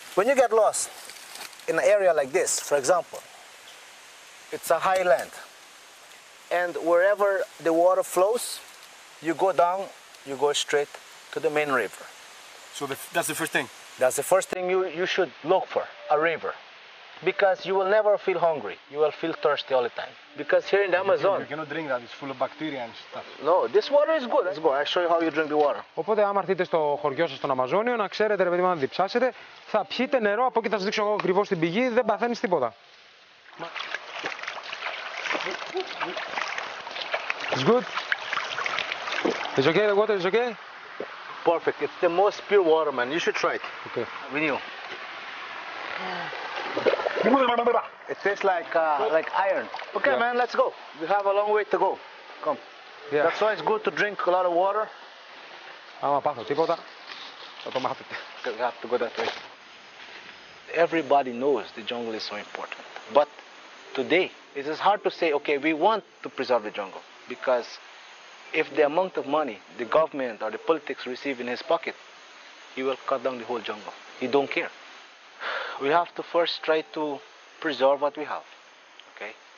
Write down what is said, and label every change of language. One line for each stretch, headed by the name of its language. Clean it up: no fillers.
English: When you get lost in an area like this, for example, it's a high land, and wherever the water flows, you go down, you go straight to the main river. So that's the first thing? That's the first thing you should look for, a river. Because you will never feel hungry. You will feel thirsty all the time. Because here in the Amazon... You cannot drink that, it's full of bacteria and stuff. No, this water is good. Let's go, I'll show you how you drink the water.
Greek: Οπότε, άμα έρθείτε στο χωριό σας στον Αμαζόνιο, να ξέρετε, ρε παιδί μου, αν διψάσετε, θα πιείτε νερό, από εκεί θα σας δείξω εγώ ακριβώς την πηγή, δεν παθαίνεις τίποτα.
English: It's good. It's okay, the water is okay? Perfect. It's the most pure water, man. You should try it. Okay. With you. It tastes like iron. Okay, yeah. Man, let's go. We have a long way to go. Come. Yeah. That's why it's good to drink a lot of water.
Greek: Άμα πάθω τίποτα, θα το μάθετε.
English: Because we have to go that way. Everybody knows the jungle is so important. But today, it is hard to say, okay, we want to preserve the jungle. Because if the amount of money the government or the politics receive in his pocket, he will cut down the whole jungle. He don't care. We have to first try to preserve what we have, okay?